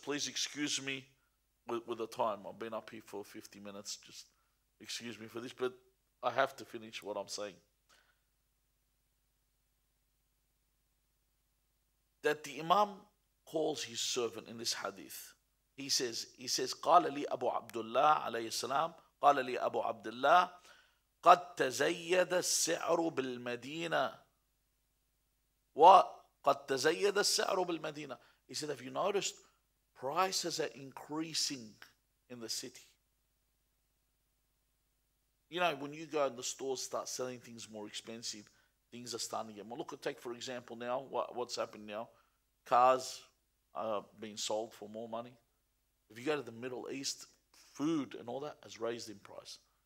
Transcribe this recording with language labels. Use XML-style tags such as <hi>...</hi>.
<en>Please excuse me with the time. I've been up here for 50 minutes. Just excuse me for this, but I have to finish what I'm saying. That the Imam calls his servant in this hadith. He says,</en> <ar>قَالَ لِي أَبُو عَبْدُ اللَّهِ عَلَيْهِ السَّلَامِ قَالَ لِي أَبُو عَبْدُ اللَّهِ قَدْ تَزَيَّدَ السِّعْرُ بِالْمَدِينَةِ وَقَدْ تَزَيَّدَ السِّعْرُ بِالْمَدِينَةِ.</ar> <en>He said, have you noticed prices are increasing in the city? You know, when you go in the stores, start selling things more expensive, things are starting to get more. Look, take for example now, what's happened now. Cars are being sold for more money. If you go to the Middle East, food and all that has raised in price.</en>